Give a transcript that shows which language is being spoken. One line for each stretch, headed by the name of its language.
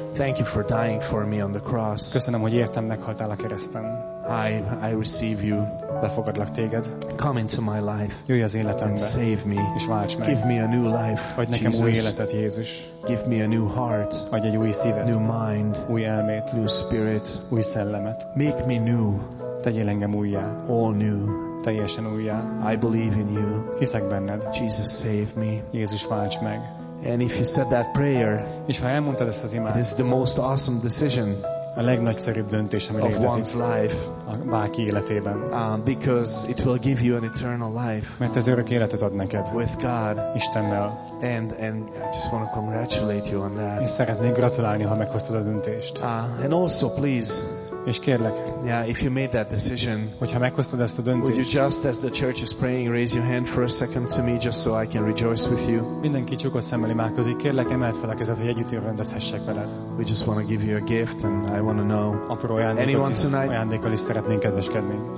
English: thank you for dying for me on the cross.
Hungarian: Köszönöm, hogy értem meghaltál a kereszten.
English: I receive you.
Hungarian: Befogadlak téged.
English: Come into my life.
Hungarian: Jöjj az életembe.
English: And save me.
Hungarian: És válts meg.
English: Give me a new life.
Hungarian: Adj nekem új életet, Jézus.
English: Give me a new heart.
Hungarian: Adj egy új szívet.
English: New mind.
Hungarian: Új elmét.
English: New spirit.
Hungarian: Új szellemet.
English: Make me new.
Hungarian: Tegyél engem újjá.
English: All new.
Hungarian: Teljesen újjá.
English: I believe in you.
Hungarian: Hiszek benned.
English: Jesus, save me.
Hungarian: Jézus, válts meg.
English: And if you said that prayer,
Hungarian: és ha elmondtad ezt az imád,
English: it is the most awesome decision
Hungarian: a legnagyszerűbb döntés, ami
English: of one's life.
Hungarian: A bárki életében.
English: Because it will give you an eternal life.
Hungarian: Mert ez örök életet ad neked.
English: With God.
Hungarian: Istennel.
English: And I just want to congratulate you on that.
Hungarian: És szeretnék gratulálni, ha meghoztad a döntést.
English: And also, please,
Hungarian: és kérlek,
English: yeah, if you made that decision,
Hungarian: hogyha meghoztad ezt a döntést,
English: would you just, as the church is praying, raise your hand for a second to me, just so I can rejoice with you?
Hungarian: Mindenki csukott szemmel imádkozik, kérlek, emeld fel a kezed, hogy együtt örvendezhessek veled.
English: We just want to give you a gift, and I want to know.
Hungarian: Apró ajándékkal is szeretnénk kedveskedni.